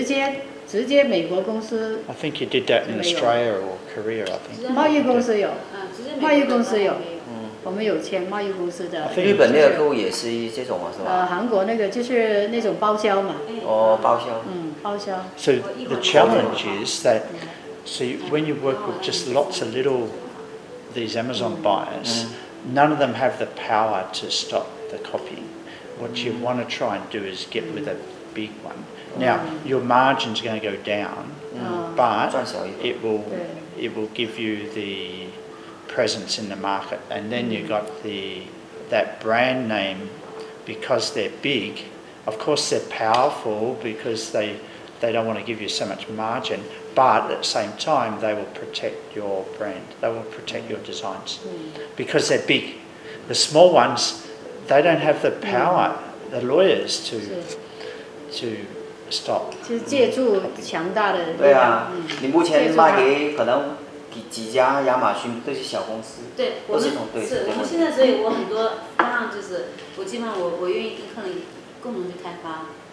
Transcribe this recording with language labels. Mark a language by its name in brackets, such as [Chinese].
[Chinese] 我在问有没有，据说跟其中一家公司签那个，不是签那个独家，美国直接美国公司。 [English] I think you did that in Australia or Korea, I think. [Chinese] 贸易公司有，我们有签贸易公司的。 [English] I think [Chinese] 日本那个客户也是这种啊，是吧？韩国那个就是那种包销嘛。哦，包销。嗯，包销。 [English] So the challenge is that. So when you work with just lots of little, these Amazon buyers, none of them have the power to stop the copying. What you want to try and do is get with a big one. Now, your margin's going to go down, but it will give you the presence in the market. And then you've got that brand name, because they're big, of course they're powerful because they don't want to give you so much margin, but at the same time, they will protect your brand. They will protect your designs because they're big. The small ones, they don't have the power, the lawyers, to stop. [Chinese] 其实借助强大的力量。对啊，你目前卖给可能几家亚马逊这些小公司，都是同对。是，我们现在所以我很多方案就是，我基本上我愿意跟客人共同去开发。